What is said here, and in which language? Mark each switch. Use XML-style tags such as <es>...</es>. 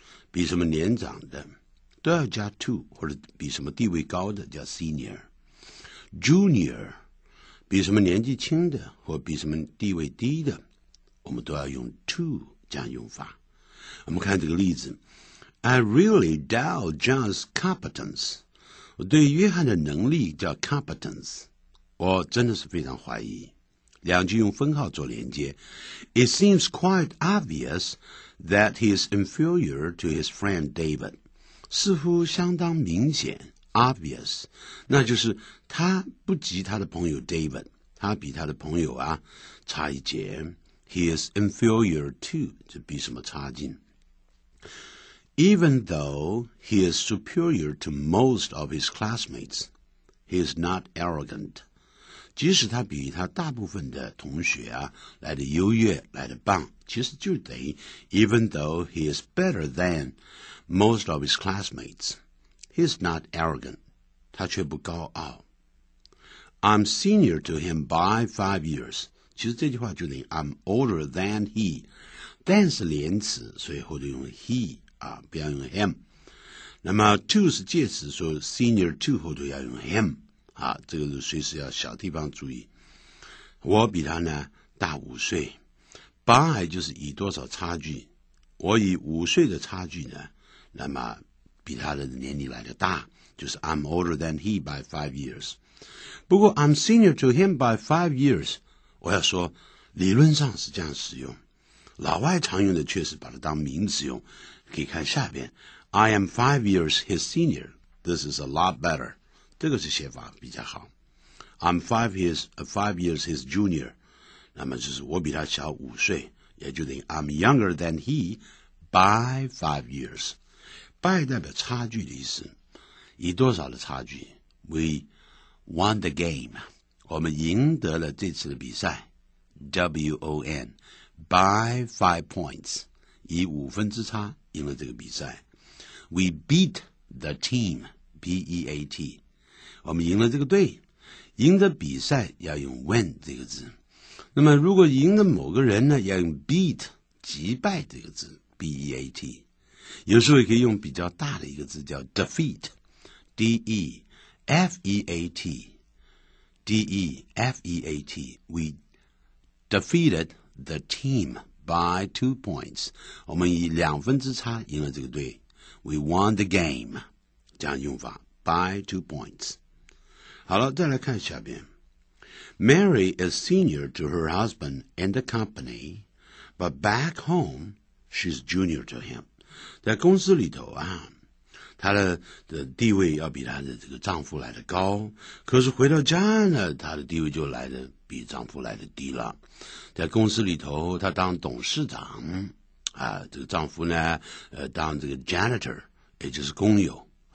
<zh>比什么年长的都要加 to, 或者比什么地位高的叫 senior, junior, 比什么年纪轻的或比什么地位低的我们都要用 to 这样用法。我们看这个例子，</zh> <en>I really doubt John's competence,</en> <zh>我对约翰的能力叫 competence,我真的是非常怀疑。两句用分号做连接。</zh> <en>It seems quite obvious that he is inferior to his friend David.</en> <zh>似乎相当明显 ,obvious, 那就是他不及他的朋友 David, 他比他的朋友啊差一截。</zh> <en>He is inferior to,</en> <zh>就比什么差劲。</zh> <en>Even though he is superior to most of his classmates, he is not arrogant.</en> <zh>即使他比他大部分的同学啊来得优越来得棒，其实就等于</zh> <en>even though he is better than most of his classmates, he is not arrogant,</en> <zh>他却不高傲。</zh> <en>I'm senior to him by 5 years,</en> <zh>其实这句话就等于</zh> <en>I'm older than he,</en> <zh>than 是连词，所以后头用 he, 啊不要用 him。那么 to 是介词，所以 senior to 后头要用 him。啊，这个是随时要小地方注意。我比他呢大5岁 ，by 就是以多少差距，我以5岁的差距呢，那么比他的年龄来的大，就是</zh> <en>I'm older than he by 5 years。</en> <zh>不过</zh> <en>I'm senior to him by 5 years，</en> <zh>我要说理论上是这样使用，老外常用的确实把它当名词用。可以看下边</zh> <en>，I am 5 years his senior. This is a lot better.</en> <zh>这个是写法比较好。</zh> <en>I'm five years his junior.</en> <zh>那么就是我比他小5岁，也就等于</zh> <en>I'm younger than he by 5 years.</en> <zh>By 代表差距的意思。以多少的差距？</zh> <en>We won the game.</en> <zh>我们赢得了这次的比赛。</zh> <en>WON, by 5 points.</en> <zh>以5分之差赢了这个比赛。</zh> <en>We beat the team, BEAT.</en> <zh>我们赢了这个队，赢的比赛要用 win 这个字。那么如果赢的某个人呢，要用 beat 击败这个字 ,beat。有时候也可以用比较大的一个字叫</zh> <en>defeat,defeat,defeat, D-E-F-E-A-T, we defeated the team by 2 points.</en> <zh>我们以2分之差赢了这个队。</zh> <en>We won the game,</en> <zh>这样用法</zh> <en>,by 2 points.</en> <zh>好了，再来看下边。</zh> <en>Mary is senior to her husband and the company, but back home, she's junior to him.</en> <zh>在公司里头啊，她 的地位要比她的这个丈夫来得高，可是回到家呢，她的地位就来得比丈夫来得低了。在公司里头，她当董事长啊，这个丈夫呢，当这个 janitor, 也就是工友。</zh>